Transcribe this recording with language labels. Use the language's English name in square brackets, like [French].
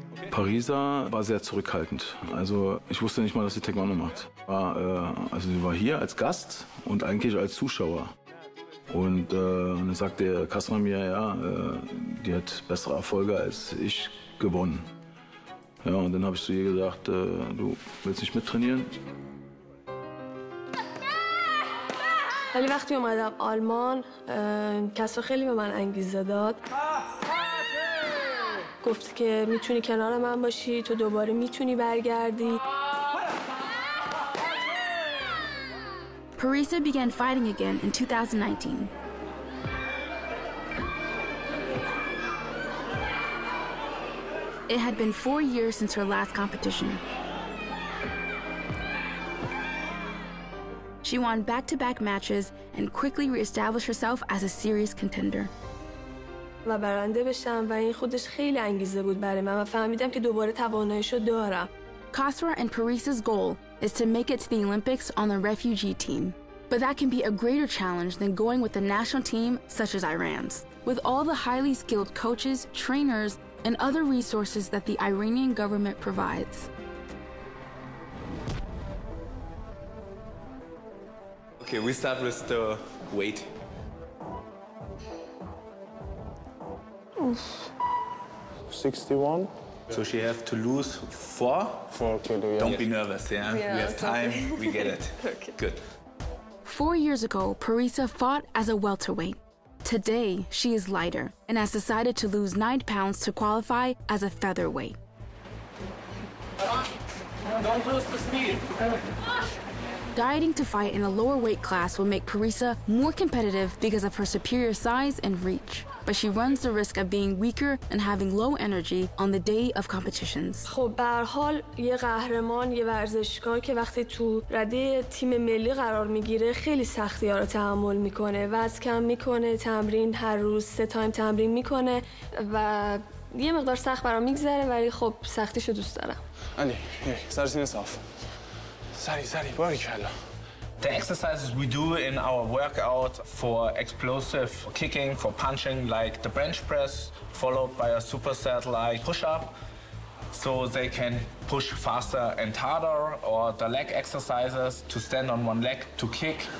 [German] Parisa war sehr zurückhaltend. Also ich wusste nicht mal, dass sie Taekwondo macht. Sie war hier als Gast und eigentlich als Zuschauer. Und dann sagte Kasra mir, ja, die hat bessere Erfolge als ich gewonnen. Ja, und dann habe ich zu ihr gesagt, du willst nicht mittrainieren? [Persian] ولی وقتی اومدم آلمان کسرا خیلی به من انگیزه داد گفت که میتونی کنار من باشی تو دوباره میتونی برگردی [English] Parisa began fighting again in 2019 It had been 4 years since her last competition She won back-to-back matches and quickly re-established herself as a serious contender. [Persian] و برنده بشم و این خودش خیلی انگیزه بود برای من و فهمیدم که دوباره تواناییشو دارم. [English] Kasra and Parisa's goal is to make it to the Olympics on the refugee team. But that can be a greater challenge than going with a national team such as Iran's. With all the highly skilled coaches, trainers, and other resources that the Iranian government provides. Okay, we start with the weight. Oof. 61. So she has to lose 4? 4 kilos, yeah. Don't be nervous, yeah? Yeah, we have time, we get it. Okay. Good. 4 years ago, Parisa fought as a welterweight. Today, she is lighter and has decided to lose 9 pounds to qualify as a featherweight. Don't lose the speed. Dieting to fight in a lower weight class will make Parisa more competitive because of her superior size and reach. But she runs the risk of being weaker and having low energy on the day of competitions. [Persian] خب به هر حال یه قهرمان یه ورزشکار که وقتی تو رده تیم ملی قرار میگیره خیلی سختی‌ها رو تحمل میکنه. وزن کم میکنه، تمرین هر روز 3 تایم تمرین میکنه و یه مقدار سخت برام میگذره ولی خب سختیشو دوست دارم. علی، سر سینه صاف. Sorry, Barakallah. [English] The exercises we do in our workout for explosive kicking, for punching, like the bench press, followed by a superset like push-up, so they can push faster and harder, or the leg exercises to stand on one leg to kick.